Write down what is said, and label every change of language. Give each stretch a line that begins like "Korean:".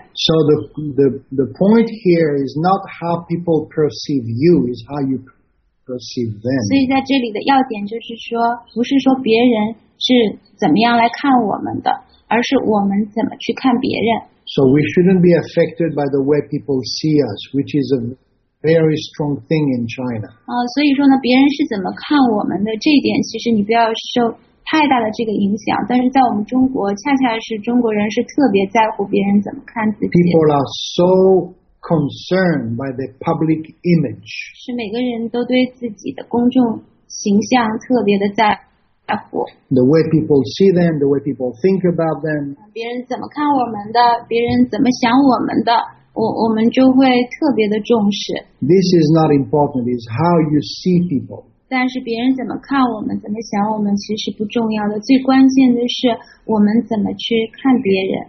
English: So the point here is not how people perceive you, is how you perceive them.
Chinese: 所以在这里的要点就是说，不是说别人是怎么样来看我们的，而是我们怎么去看别人。
English: So we shouldn't be affected by the way people see us, which is a very strong thing in China.
Chinese: 所以说呢，别人是怎么看我们的这一点，其实你不要受太大的这个影响。但是在我们中国，恰恰是中国人是特别在乎别人怎么看自己。
English: People are so concerned by the public image.
Chinese: 是每个人都对自己的公众形象特别的在乎。
English: The way people see them, the way people think about them.
Chinese: 别人怎么看我们的，别人怎么想我们的，我们就会特别的重视。
English: This is not important. It's how you see people.
Chinese: 但是别人怎么看我们，怎么想我们，其实不重要的。最关键的是我们怎么去看别人。